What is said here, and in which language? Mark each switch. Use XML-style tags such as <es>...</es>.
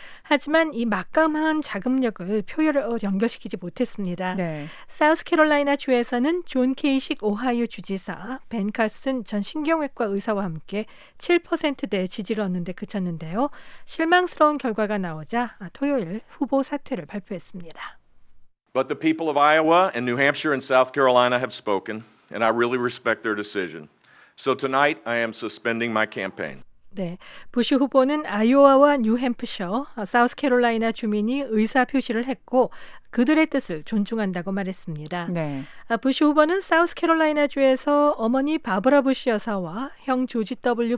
<ko>하지만 이 막강한 자금력을 표결을 연결시키지 못했습니다. 네. 사우스캐롤라이나 주에서는 존 케이식 오하이오 주지사, 벤 칼슨 전 신경외과 의사와 함께 7%대의 지지를 얻는 데 그쳤는데요. 실망스러운 결과가 나오자 토요일 후보 사퇴를 발표했습니다.</ko> <en>But the people of Iowa and New Hampshire and South Carolina have spoken, and I really respect their decision. So tonight, I am suspending my campaign.</en> <ko>네, 부시 후보는 아이오와와 뉴햄프셔, 사우스캐롤라이나 주민이 의사 표시를 했고 그들의 뜻을 존중한다고 말했습니다. 네. 부시 후보는 사우스캐롤라이나주에서 어머니 바브라 부시 여사와 형 조지 W.</ko>